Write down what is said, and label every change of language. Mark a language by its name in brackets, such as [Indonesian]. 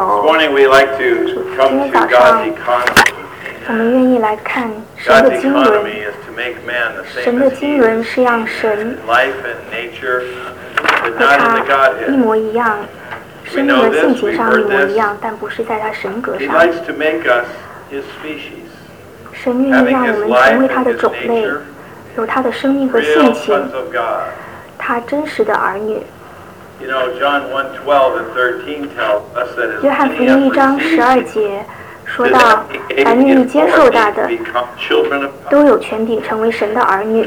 [English] This morning we like to come to God's economy. [Chinese] 我们愿意来看神的经纶。神的经纶是让神。 [English] Life and nature, but not in the Godhead. [Chinese] 一模一样。生命的性情上一模一样，但不是在他神格上。神愿意让我们成为他的种类，有他的生命和性情，他真实的儿女。约翰福音一章十二节说到，凡愿意接受他的，都有权柄成为神的儿女。